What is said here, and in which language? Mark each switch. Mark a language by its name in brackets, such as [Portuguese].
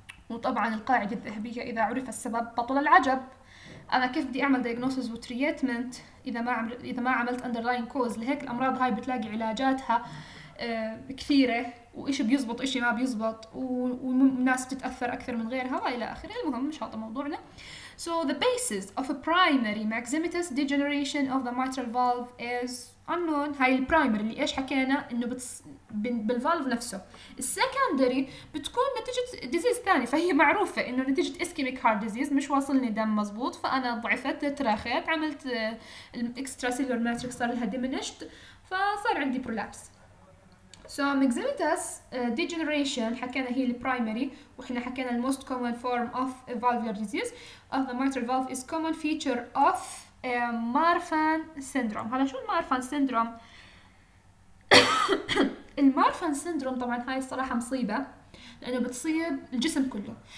[Arabic] وطبعا القاعدة الذهبية، إذا عرف السبب بطل العجب. أنا كيف بدي أعمل diagnosis وtreatment إذا ما عملت underlying cause لهيك الأمراض هاي؟ بتلاقي علاجاتها كثيرة، وإيش بيزبط إيش ما بيزبط، وناس بتتأثر أكثر من غيرها إلى آخره. المهم مش هذا موضوعنا. [English] So the basis of a primary maximitus degeneration of the mitral valve is unknown. [Arabic] هاي البرايمري اللي إيش حكينا إنه بالفالف نفسه. السكندري بتكون نتيجة disease ثاني، فهي معروفة إنه نتيجة ischemic heart disease، مش واصلني دم مزبوط، فأنا ضعفت، تراخيت، عملت extracellular matrix، صار لها diminished، فصار عندي prolapse. [English] So maximitus degeneration [Arabic] حكينا هي [English] primary، [Arabic] وإحنا حكينا [English] the most common form of valvular disease of the mitral valve is common feature of Marfan syndrome. [Arabic] هلا شو Marfan syndrome؟ Marfan syndrome طبعا هاي الصراحة مصيبة، لأنه بتصيب الجسم كله.